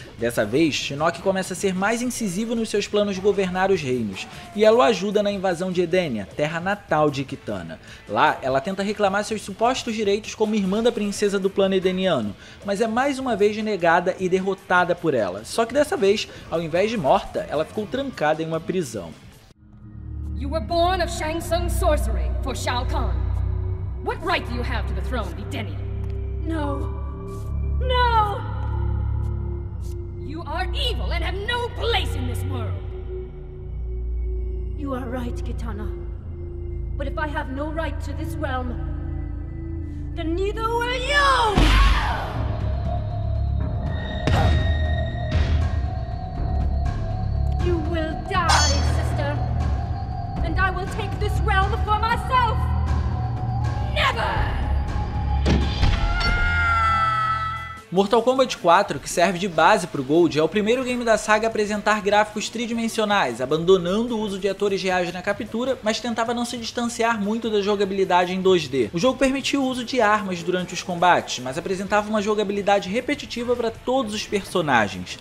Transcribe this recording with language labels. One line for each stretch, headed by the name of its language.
Portuguese: Dessa vez, Shinnok começa a ser mais incisivo nos seus planos de governar os reinos, e ela o ajuda na invasão de Edenia, terra natal de Kitana. Lá, ela tenta reclamar seus supostos direitos como irmã da princesa do plano edeniano, mas é mais uma vez negada e derrotada por ela. Só que dessa vez, ao invés de morta, ela ficou trancada em uma prisão.
English: You were born of Shang Tsung's sorcery for Shao Kahn. What right do you have to the throne, Edenia? No. No! You are evil and have no place in this world. You are right, Kitana. But if I have no right to this realm, then neither will you! You will die, sister. And I will take this realm for myself! Never!
Portuguese: Mortal Kombat 4, que serve de base pro Gold, é o primeiro game da saga a apresentar gráficos tridimensionais, abandonando o uso de atores reais na captura, mas tentava não se distanciar muito da jogabilidade em 2D. O jogo permitia o uso de armas durante os combates, mas apresentava uma jogabilidade repetitiva para todos os personagens.